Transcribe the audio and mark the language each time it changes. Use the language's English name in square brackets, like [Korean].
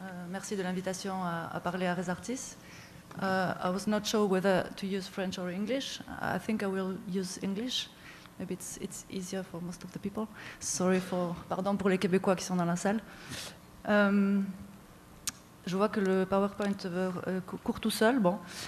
[French] Merci de l'invitation à parler à Res Artis. [English] I was not sure whether to use French or English. I think I will use English. Maybe it's easier for most of the people. [French] Pardon pour les Québécois qui sont dans la salle. Je vois que le PowerPoint court tout seul. Bon.